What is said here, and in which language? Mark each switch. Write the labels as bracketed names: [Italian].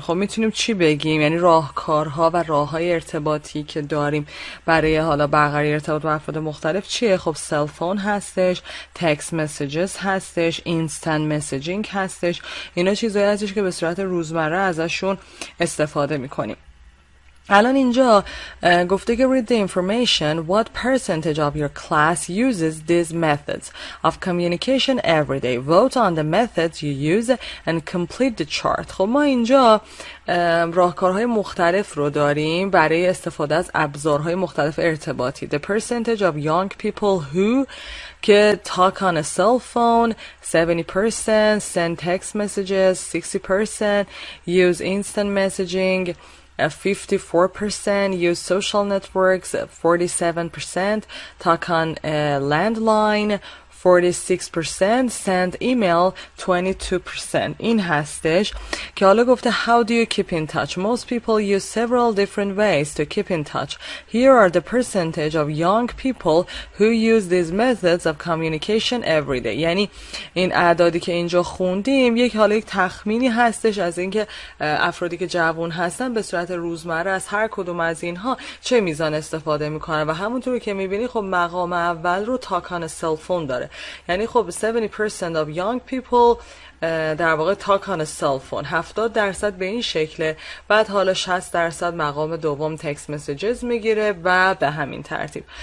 [Persian] خب میتونیم چی بگیم؟ یعنی راهکارها و راههای ارتباطی که داریم برای حالا برقراری ارتباط با افراد مختلف چیه؟ خب سلفون هستش، تکست مسیجز هستش، اینستنت مسیجینگ هستش. اینا چیزایی هستش که به صورت روزمره ازشون استفاده میکنیم. الان اینجا گفته که [English] read the information what percentage of your class uses these methods of communication every day. Vote on the methods you use and complete the chart. [Persian] خب ما اینجا راهکارهای مختلف رو داریم برای استفاده از ابزارهای مختلف ارتباطی. [English] The percentage of young people who can talk on a cell phone 70%, send text messages 60%, use instant messaging 54%, use social networks 47%, talk on a landline 46%, send email 22%. [Persian] این هستش که حالا گفته [English] how do you keep in touch. Most people use several different ways to keep in touch. Here are the percentage of young people who use these methods of communication every day. [Persian] یعنی این اعدادی که اینجا خوندیم یک حالا یک تخمینی هستش از اینکه افرادی که جوان هستن به صورت روزمره از هر کدوم از اینها چه میزان استفاده میکنن. و همونطوری که میبینی خب مقام اول رو [English] talk on a cell phone [Persian] داره. یعنی خب [English] 70% of young people [Persian] در واقع [English] talk on a cell phone، [Persian] 70% به این شکله، بعد حالا 60% مقام دوم [English] text messages [Persian] میگیره و به همین ترتیب.